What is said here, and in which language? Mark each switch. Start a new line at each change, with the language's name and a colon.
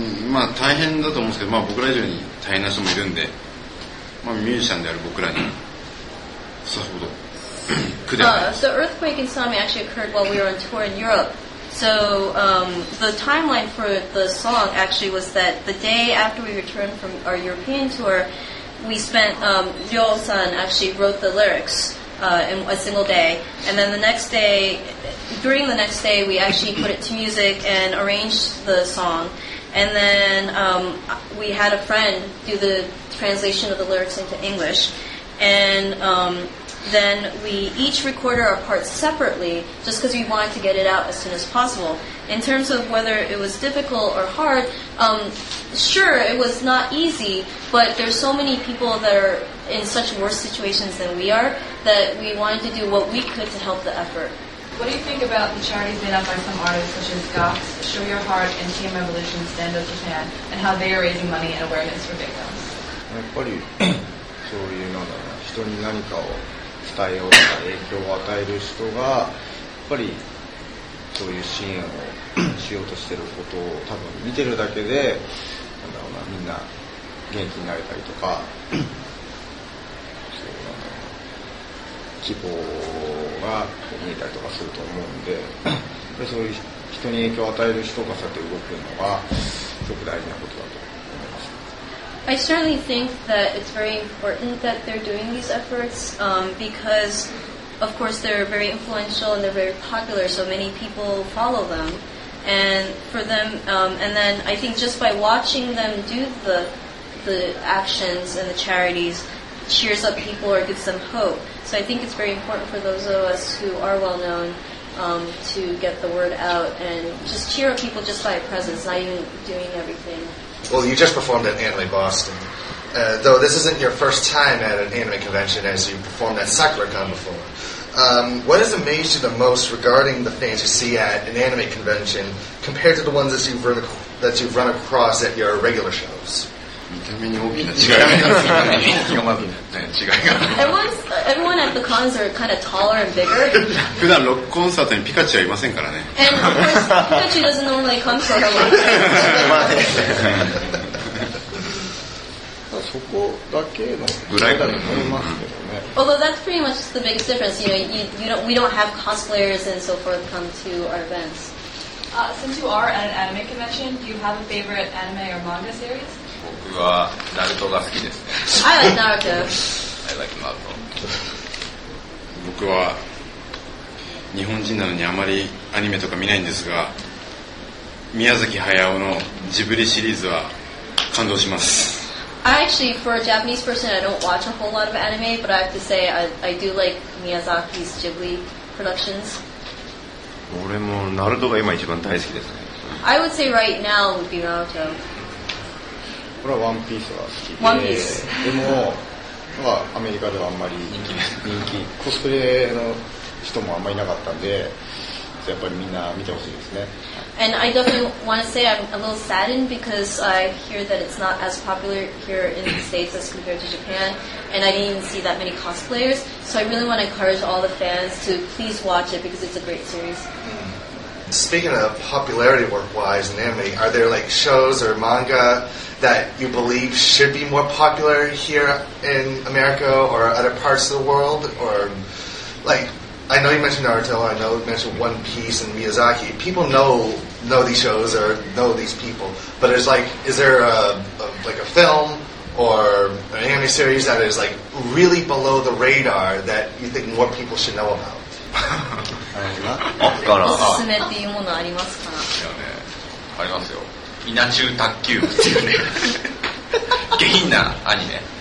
Japanese: まあ大変だと思うんですけど、まあ僕ら以上に大変な人もいるんで、まあミュージシャンである僕らにさほど苦ではないです。
English: So earthquake and tsunami actually occurred while we were on tour in Europe. So the timeline for the song actually was that the day after we returned from our European tour, we spent Ryo-san actually wrote the lyrics. In a single day, and then the next day, during the next day, we actually put it to music and arranged the song, and then we had a friend do the translation of the lyrics into English, and then we each recorded our parts separately, just because we wanted to get it out as soon as possible. In terms of whether it was difficult or hard, sure, it was not easy, but there's so many people that are in such worse situations than we are, that we wanted to do what we could to help the effort. What do you think about the charities made up by some artists such as Gox, Show Your Heart, and Team Revolution Stand Up Japan, and how they are raising money and awareness for victims?
Japanese: やっぱりそういうのだな、人に何かを伝えようとか影響を与える人がやっぱりそういう支援をしようとしていることを多分見てるだけで、なんだろうな、みんな元気になれたりとか。希望が見えたりとかすると思うんで、でそういう人に影響を与える人がさて動くのがすごく大事なことだと思います。
English: I certainly think that it's very important that they're doing these efforts, because of course they're very influential and they're very popular, so many people follow them. And for them, and then I think just by watching them do the actions and the charities cheers up people or gives them hope. So I think it's very important for those of us who are well known to get the word out and just cheer up people just by presence, not even doing everything. Well, you just performed at Anime Boston. Though this isn't your first time at an anime convention, as you performed at SakuraCon before. What has amazed you the most regarding the fans you see at an anime convention compared to the ones that you've run across at your regular shows? Everyone at the cons are kind of taller and bigger.
Japanese: 普段ロックコンサートにピカチュウはいませんからね。
English: And of course, Pikachu doesn't normally come to our world.
Japanese: そこだけのぐらいだと思いますけどね。
English: Although that's pretty much the biggest difference. You know, we don't have cosplayers and so forth come to our events. Since you are at an anime convention, do you have a favorite anime or manga series?
Japanese: 僕はナルトが好きです
English: ね。I like Naruto. I like Naruto.
Japanese: 僕は日本人なのにあまりアニメとか見ないんですが、宮崎駿のジブリシリーズは感動します。
English: I actually, for a Japanese person, I don't watch a whole lot of anime, but I have to say I do like Miyazaki's Ghibli productions.
Japanese: 俺もナルトが今一番大好きですね。
English: I would say right now would be Naruto.
Japanese: 俺はワンピースが好きで、
English: One Piece.
Japanese: でも、まあ、アメリカではあんまり人気、コスプレの人もあんまりいなかったんで、やっぱりみんな見てほしいですね。
English: And I definitely want to say I'm a little saddened because I hear that it's not as popular here in the States as compared to Japan, and I didn't even see that many cosplayers. So I really want to encourage all the fans to please watch it because it's a great series. Speaking of popularity work-wise in anime, are there like shows or manga that you believe should be more popular here in America or other parts of the world? Or like... I know you mentioned Naruto, I know you mentioned One Piece and Miyazaki. People know these shows or know these people. But it's like, is there a film or an anime series that is like really below the radar that you think more people should know about?
Japanese: おすすめっていうものありますか？いやね、ありますよ。稲中卓球っていうね、下品なアニメ。